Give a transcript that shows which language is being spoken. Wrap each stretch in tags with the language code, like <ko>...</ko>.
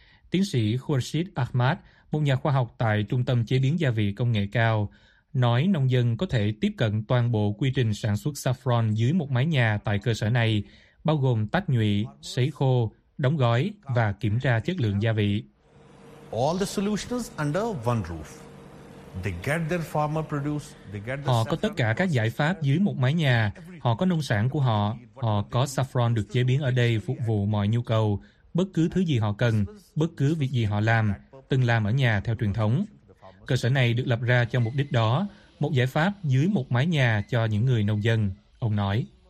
<vi>Tiến sĩ Khurshid Ahmad, một nhà khoa học tại Trung tâm Chế biến Gia vị Công nghệ Cao, nói nông dân có thể tiếp cận toàn bộ quy trình sản xuất saffron dưới một mái nhà tại cơ sở này, bao gồm tách nhụy, sấy khô, đóng gói và kiểm tra chất lượng gia vị.</vi> <en>All the solutions under one roof. They get their farmer produce, they get the</en> <vi>Họ có tất cả các giải pháp dưới một mái nhà, họ có nông sản của họ, họ có saffron được chế biến ở đây phục vụ mọi nhu cầu, bất cứ thứ gì họ cần, bất cứ việc gì họ làm, từng làm ở nhà theo truyền thống. Cơ sở này được lập ra cho mục đích đó, một giải pháp dưới một mái nhà cho những người nông dân, ông nói.</vi>